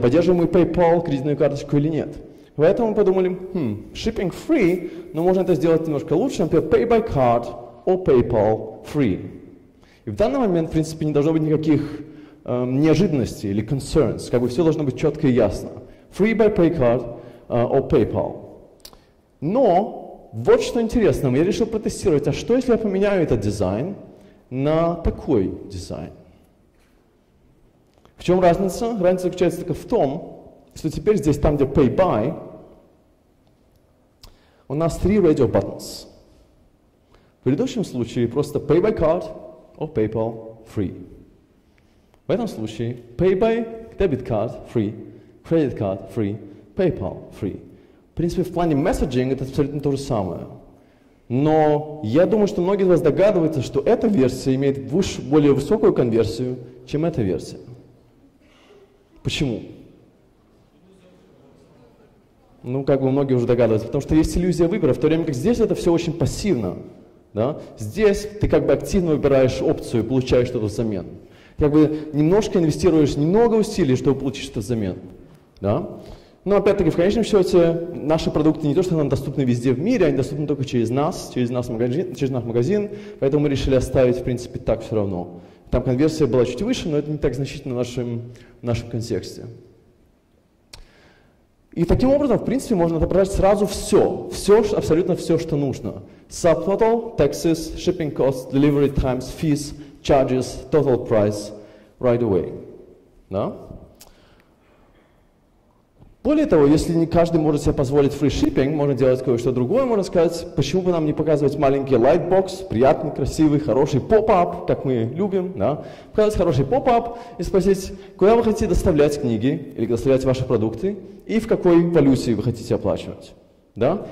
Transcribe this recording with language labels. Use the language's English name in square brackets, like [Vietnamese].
[Russian] Поддерживаем мы PayPal, кредитную карточку или нет. Поэтому мы подумали, [English] shipping free, [Russian] но можно это сделать немножко лучше, например, [English] pay by card or PayPal free. [Russian] И в данный момент, в принципе, не должно быть никаких неожиданностей или concerns. Как бы все должно быть четко и ясно. [English] Free by pay card or PayPal. [Russian] Но... Вот что интересно, я решил протестировать, а что если я поменяю этот дизайн на такой дизайн? В чем разница? Разница заключается только в том, что теперь здесь, там где pay by, у нас 3 radio buttons. В предыдущем случае просто [English] pay by card or PayPal free. [Russian] В этом случае [English] pay by debit card free, credit card free, PayPal free. [Russian] В принципе, в плане месседжинга это абсолютно то же самое. Но я думаю, что многие из вас догадываются, что эта версия имеет более высокую конверсию, чем эта версия. Почему? Ну, как бы многие уже догадываются, потому что есть иллюзия выбора, в то время как здесь это все очень пассивно. Да? Здесь ты как бы активно выбираешь опцию и получаешь что-то взамен. Как бы немножко инвестируешь, немного усилий, чтобы получить что-то взамен. Да? Но опять-таки, в конечном счете, наши продукты не то, что нам доступны везде в мире, они доступны только через наш магазин, поэтому мы решили оставить, в принципе, так все равно. Там конверсия была чуть выше, но это не так значительно в нашем контексте. И таким образом, в принципе, можно отображать сразу все, абсолютно все, что нужно. [English] Subtotal, taxes, shipping costs, delivery times, fees, charges, total price, right away. [Russian] Да? Более того, если не каждый может себе позволить free shipping, можно делать кое-что другое, можно сказать, почему бы нам не показывать маленький lightbox, приятный, красивый, хороший поп-ап, как мы любим, да? Показать хороший поп-ап и спросить, куда вы хотите доставлять книги или доставлять ваши продукты и в какой валюте вы хотите оплачивать. Да?